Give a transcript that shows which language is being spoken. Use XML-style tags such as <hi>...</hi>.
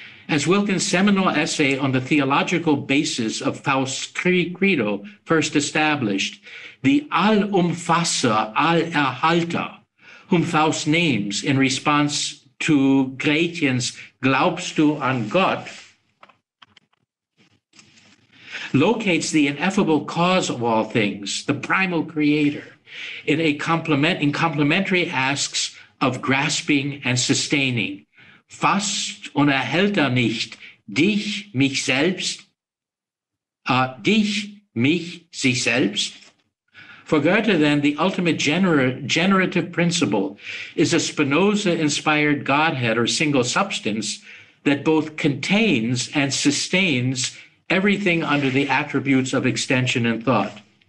<en>As Wilkins' seminal essay on the theological basis of Faust's credo first established, the Allumfasser, Allerhalter, whom Faust names in response to Gretchen's</en> <de>"Glaubst du an Gott?"</de> <en>locates the ineffable cause of all things, the primal creator, in complementary asks of grasping and sustaining.</en> <de>Fasst und erhält er nicht dich, mich selbst, sich selbst.</de> <en>For Goethe, then, the ultimate generative principle is a Spinoza-inspired Godhead or single substance that both contains and sustains everything under the attributes of extension and thought.</en>